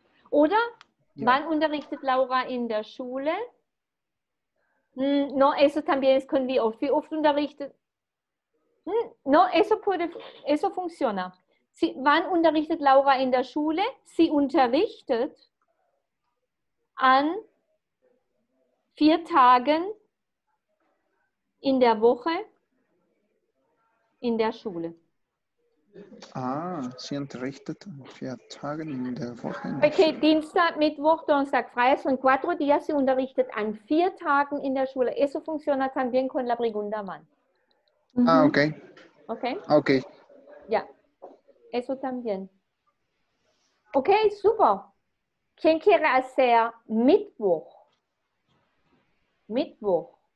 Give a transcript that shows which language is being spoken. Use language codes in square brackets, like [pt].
[de] Oder wann unterrichtet Laura in der Schule? [es] No, eso también es con [de] wie oft unterrichtet. [es] No, eso funciona. [de] Wann unterrichtet Laura in der Schule? Sie unterrichtet an 4 Tagen in der Woche in der Schule. Ah, sie unterrichtet an 4 Tagen in der Woche. In der Schule. Okay, Dienstag, Mittwoch, Donnerstag, Freitag [es] son 4 días. [de] Sie unterrichtet an 4 Tagen in der Schule. [es] Eso funciona también con la pregunta wann. Mhm. Ah, okay. Okay. Okay. Ja, eso también. Okay, super. ¿Quién quiere hacer Mittwoch? Mittwoch.